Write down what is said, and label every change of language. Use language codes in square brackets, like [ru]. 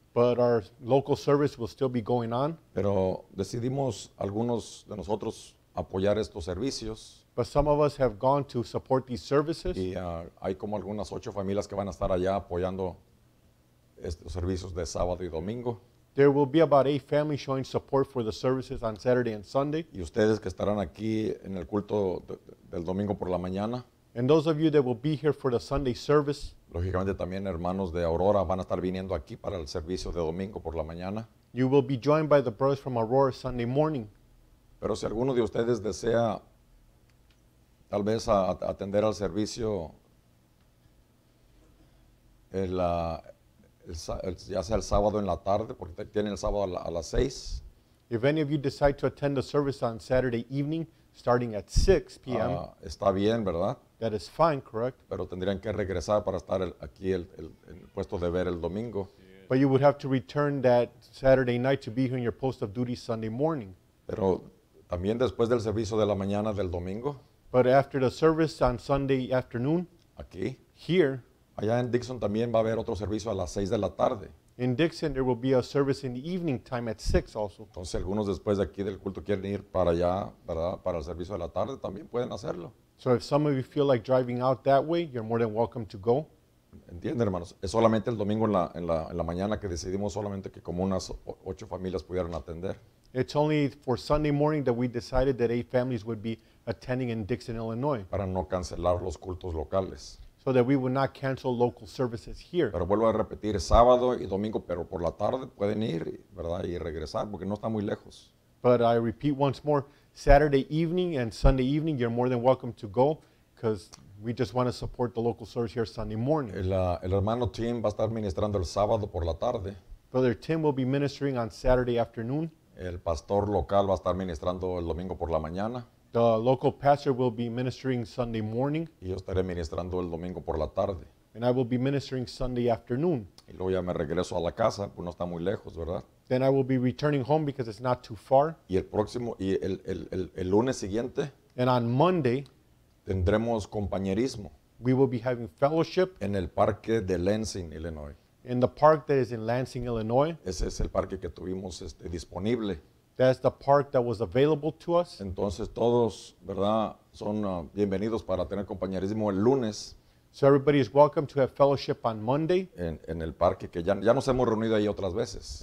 [en] But our local service will still be going on. [es] Pero decidimos algunos de nosotros apoyar estos servicios. [en] But some of us have gone to support these services. [es] Y hay como algunas 8 familias que van a estar allá apoyando estos servicios de sábado y domingo. [en] There will be about 8 families showing support for the services on Saturday and Sunday. [es] Y ustedes que estarán aquí en el culto del domingo por la mañana. [en] And those of you that will be here for the Sunday service. [es] Lógicamente también hermanos de Aurora van a estar viniendo aquí para el servicio de domingo por la mañana. [en] You will be joined by the brothers from Aurora Sunday morning. [es] Pero si alguno de ustedes desea tal vez atender al servicio ya sea el sábado en la tarde, porque tienen el sábado a las 6. [en] If any of you decide to attend the service on Saturday evening, starting at 6 p.m., [es] está bien, ¿verdad? [en] That is fine, correct? [es] Pero tendrían que regresar para estar aquí en el puesto de ver el domingo. [en] But you would have to return that Saturday night to be here in your post of duty Sunday morning. [es] Pero también después del servicio de la mañana del domingo. [en] But after the service on Sunday afternoon, [es] aquí. [en] Here. [es] Allá en Dixon también va a haber otro servicio a las 6 de la tarde. [en] In Dixon, there will be a service in the evening time at 6 also. [es] Entonces, algunos después de aquí del culto quieren ir para allá, ¿verdad? Para el servicio de la tarde, también pueden hacerlo. [en] So if some of you feel like driving out that way, you're more than welcome to go. [es] Entiende, hermanos. Es solamente el domingo en la mañana que decidimos solamente que como unas 8 familias pudieran atender. [en] It's only for Sunday morning that we decided that 8 families would be attending in Dixon, Illinois. [es] Para no cancelar los cultos locales. [en] So that we would not cancel local services here. [es] Pero vuelvo a repetir, sábado y domingo, pero por la tarde pueden ir, ¿verdad? Y regresar, porque no está muy lejos. [en] But I repeat once more, Saturday evening and Sunday evening, you're more than welcome to go, because we just want to support the local service here Sunday morning. [es] El hermano Tim va a estar ministrando el sábado por la tarde. [en] Brother Tim will be ministering on Saturday afternoon. [es] El pastor local va a estar ministrando el domingo por la mañana. [en] The local pastor will be ministering Sunday morning. [es] Y yo estaré ministrando el domingo por la tarde. [en] And I will be ministering Sunday afternoon. [es] Y luego ya me regreso a la casa, pues no está muy lejos, ¿verdad? [en] Then I will be returning home because it's not too far. [es] Y el próximo, y el lunes siguiente. [en] And on Monday. [es] Tendremos compañerismo. [en] We will be having fellowship. [es] En el parque de Lansing, Illinois. [en] In the park that is in Lansing, Illinois. [es] Ese es el parque que tuvimos disponible. [en] That's the park that was available to us. [es] Entonces todos, ¿verdad?, son bienvenidos para tener compañerismo el lunes. [en] So everybody is welcome to have fellowship on Monday. [es] En el parque que ya nos hemos reunido ahí otras veces.